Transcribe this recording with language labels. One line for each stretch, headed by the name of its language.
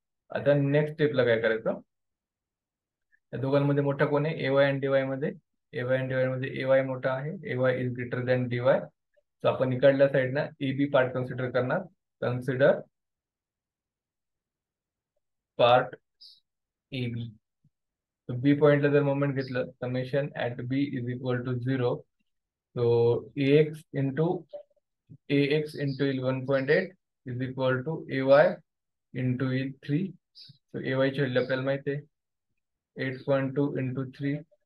Marathi: आता नेक्स्ट स्टेपला काय करायचं, या दोघांमध्ये मोठा कोण आहे, एवाय अँड डीवाय मध्ये, एवाय अँड डीवाय मध्ये एवाय मोठा आहे,
English: A Y is greater than D Y.
Marathi: So आपण इकडल्या साईडनं ए बी पार्ट कन्सिडर करणार,
English: Consider part A B.
Marathi: बी पॉइंटला जर मोमेंट घेतलं,
English: Summation at B is equal to 0, so A X into A X into L 1.8 is equal to A Y into L 3.
Marathi: So A Y ची value आपल्याला माहिती आहे 8.2 into 3.